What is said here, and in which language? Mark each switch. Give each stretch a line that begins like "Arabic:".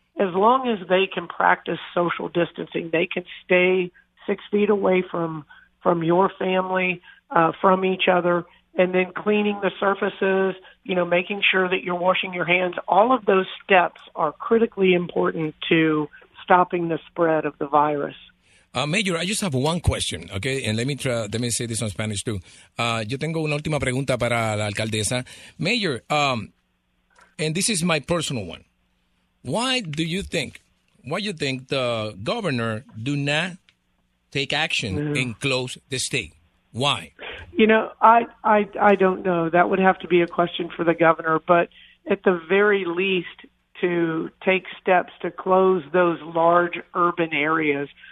English: As long as they can practice social distancing, they can stay 6 feet away from your family, from each other, and then cleaning the surfaces, you know, making sure that you're washing your hands. All of those steps are critically important to stopping the spread of the virus. Mayor, I just have one question, okay? And let me say this in Spanish too.
Spanish: Yo tengo una última pregunta para la alcaldesa.
English: Mayor, and this is my personal one. Why do you think the governor do not take action and close the state? Why? You know, I don't know. That would have to be a question for the governor. But at the very least, to take steps to close those large urban areas.